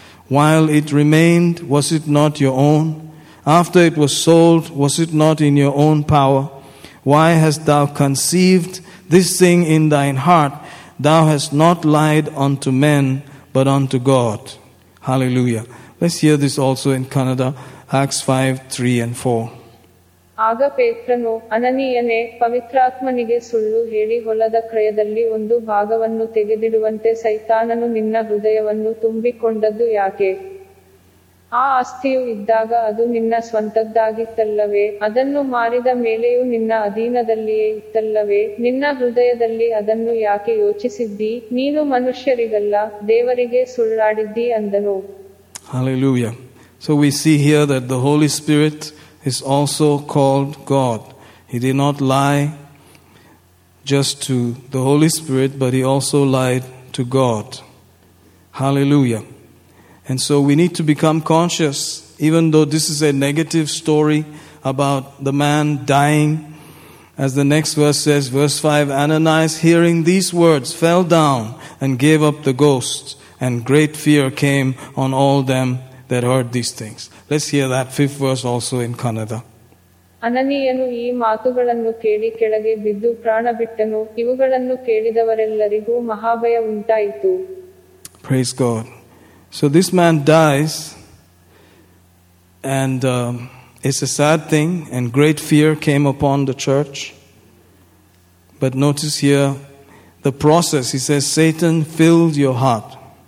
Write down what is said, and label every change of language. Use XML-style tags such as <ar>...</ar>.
<en>While it remained, was it not your own? After it was sold, was it not in your own power? Why hast thou conceived this thing in thine heart? Thou hast not lied unto men, but unto God. Hallelujah. Let's hear this also in Kannada, Acts 5, 3 and 4.</en> <kn>ಆಗ ಪೇತ್ರನು ಅನನೀಯನೇ ಪವಿತ್ರಾತ್ಮನಿಗೆ ಸುಳ್ಳು ಹೇಳಿ ಹೊಲದ ಕ್ರಯದಲ್ಲಿ ಒಂದು ಭಾಗವನ್ನು ತೆಗೆದಿಡುವಂತೆ ಸೈತಾನನು ನಿನ್ನ ಹೃದಯವನ್ನು ತುಂಬಿಕೊಂಡದ್ದು ಯಾಕೆ? ಆ ಆಸ್ತಿಯು ಇದ್ದಾಗ ಅದು ನಿನ್ನ ಸ್ವಂತದ್ದಾಗಿತ್ತಲ್ಲವೇ? ಅದನ್ನು ಮಾರಿದ ಮೇಲೆಯೂ ನಿನ್ನ ಅಧೀನದಲ್ಲಿಯೇ ಇತ್ತಲ್ಲವೇ? ನಿನ್ನ ಹೃದಯದಲ್ಲಿ ಅದನ್ನು ಯಾಕೆ ಯೋಚಿಸಿದ್ದಿ? ನೀನು ಮನುಷ್ಯರಿಗಲ್ಲ ದೇವರಿಗೆ ಸುಳ್ಳಾಡಿದ್ದಿ ಅಂದನು.</kn> <en>Hallelujah. So we see here that the Holy Spirit is also called God. He did not lie just to the Holy Spirit, but he also lied to God. Hallelujah. And so we need to become conscious, even though this is a negative story about the man dying. As the next verse says, verse 5, Ananias, hearing these words, fell down and gave up the ghost, and great fear came on all them that heard these things. Let's hear that fifth verse also in Kannada.</en> <kn>ಅನನೀಯನು ಈ ಮಾತುಗಳನ್ನು ಕೇಳಿ ಕೆಳಗೆ ಬಿದ್ದು ಪ್ರಾಣ ಬಿಟ್ಟನು. ಇವುಗಳನ್ನು ಕೇಳಿದವರೆಲ್ಲರಿಗೂ ಮಹಾಭಯ ಉಂಟಾಯಿತು.</kn> <en>Praise God. So this man dies, and it's a sad thing, and great fear came upon the church. But notice here the process. He says, Satan filled your heart.</en>